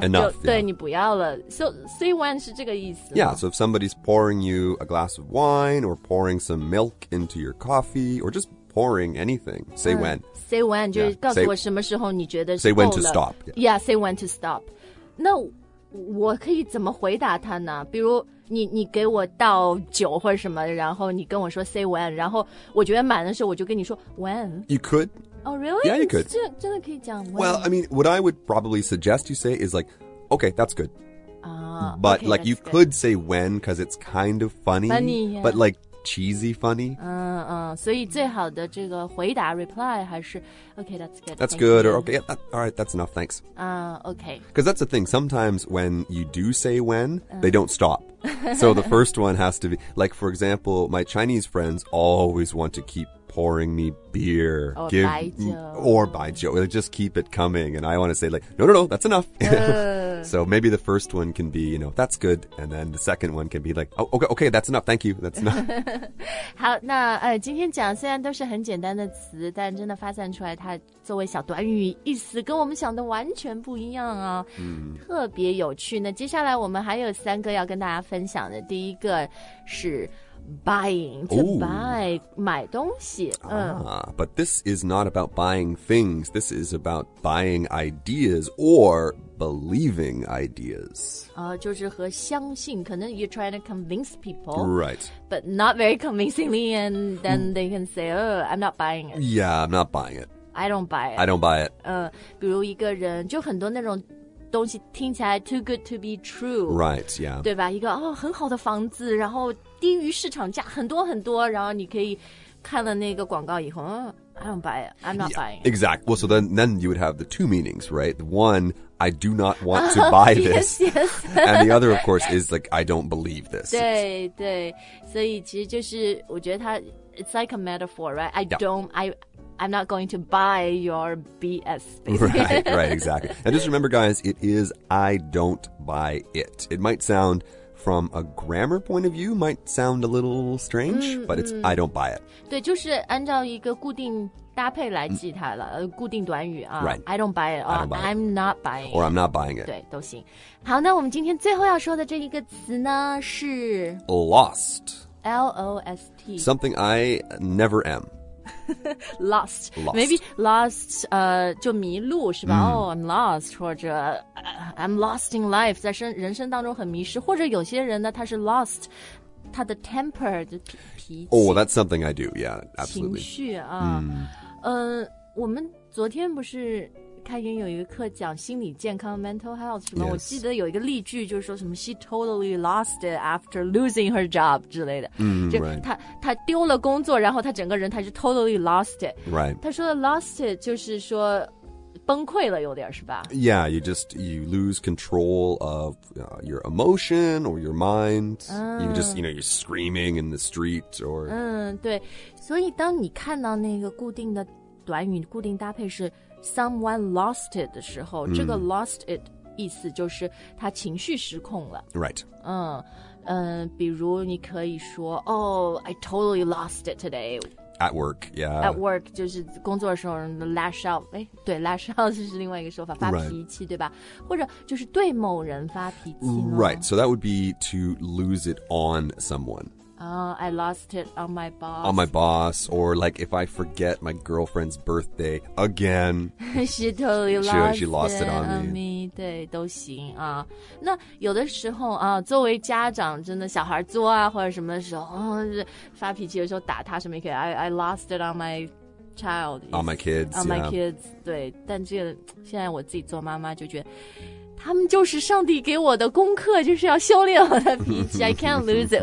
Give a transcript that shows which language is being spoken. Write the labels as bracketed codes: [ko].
[en] Enough, [zh] 就、对你不要了。 [en] So, say when [zh] 是这个意思。 [en] Yeah, so if somebody's pouring you a glass of wine or pouring some milk into your coffee or just pouring anything, say when. Say when, [zh] 就是告诉我什么时候你觉得是够 [en] 了。Say when to stop. Yeah, say when to stop. [zh] 那我可以怎么回答他呢？比如你给我倒酒或者什么，然后你跟我说 [en] say when, [zh] 然后我觉得满的时候我就跟你说 when. [en] You could. Oh, really? Yeah, you could. [zh] 真的可以讲吗? [en] Well, I mean, what I would probably suggest you say is like, okay, that's good. But okay, like, you、 good. Could say when, because it's kind of funny. Funny, yeah. But like, cheesy funny. [zh] 所以最好的这个回答 reply 还是 [en] okay, that's good. That's good, or okay, yeah, all right, that's enough, thanks. Okay. Because that's the thing, sometimes when you do say when, they don't stop. So the first one has to be, like, for example, my Chinese friends always want to keep,pouring me beer or baijiu just keep it coming and I want to say like no that's enough so maybe the first one can be you know that's good and then the second one can be like oh okay that's enough thank you that's enough [zh] 好那今天讲虽然都是很简单的词但真的发散出来它作为小短语意思跟我们想的完全不一样啊、特别有趣那接下来我们还有三个要跟大家分享的第一个是Buying, to、 [en] Ooh. buy, 买东西、 But this is not about buying things. This is about buying ideas or believing ideas.、 [zh] 就是和相信,可能 [en] you're trying to convince people. Right. But not very convincingly, and then they can say, oh, I'm not buying it. Yeah, I'm not buying it. I don't buy it. I don't buy it.、 [zh] 比如一个人,就很多那种东西听起来 [en] too good to be true. Right, yeah. [zh] 对吧?一个、哦、很好的房子,然后低于市场价很多很多,然后你可以看了那个广告以后、 [en] I don't buy it. I'm not buying it. Exactly. Well, so then you would have the two meanings, right? One, I do not want to buy this. Yes. And the other, of course, is like, I don't believe this. [zh] 对对。所以其实就是我觉得它 [en] it's like a metaphor, right? I'm not going to buy your BS.、 Basically. Right, right, exactly. And just remember, guys, it is I don't buy it. It might sound, from a grammar point of view, might sound a little strange,、but it's、I don't buy it. [zh] 对，就是按照一个固定搭配来记它了、固定短语、 [en] Right. I don't buy it. Or, don't buy I'm Not buying it. Or I'm not buying it. [zh] 对，都行。好，那我们今天最后要说的这一个词呢是 [en] Lost. L-O-S-T. Something I never am. Lost. Lost. [zh] Maybe lost, 就迷路是吧、 [en] Oh, I'm lost, [zh] 或者、 [en] I'm lost in life, [zh] 在人生当中很迷失。或者有些人呢他是 lost, 他的 temper, 的脾气。 [en] Oh, that's something I do, yeah, absolutely. [zh] 情绪啊。我们昨天不是开言有一个课讲心理健康 [en] mental health, [zh] 是吗、 [en] yes. [zh] 我记得有一个例句就是说什么 [en] she totally lost it after losing her job [zh] 之类的、就她丢了工作然后她整个人她就 [en] totally lost it、 right. [zh] 她说的 lost it 就是说崩溃了有点是吧 [en] Yeah, you lose control of、your emotion or your mind、You just, you know, you're screaming in the street or [zh] 对所以当你看到那个固定的短语固定搭配是 [en] Someone lost it [zh] 的时候、这个 lost it 意思就是他情绪失控了 [en] Right [zh] 比如你可以说 [en] Oh, I totally lost it today At work, yeah At work [zh] 就是工作的时候 Lash out 对 Lash out 就是另外一个说法发脾气、 [en] right. [zh] 对吧或者就是对某人发脾气 [en] Right, so that would be to lose it on someone I lost it on my boss. On my boss. Or like if I forget my girlfriend's birthday again. She totally lost, she lost it on [zh] me. 对都行啊。那有的时候啊作为家长真的小孩做啊或者什么的时候、发脾气的时候打他什么也可以。 [en] I lost it on my child. On my kids. On my kids. [zh] 对但这个现在我自己做妈妈就觉得。他们就是上帝给我的功课就是要修炼我的脾气 [en] I can't lose it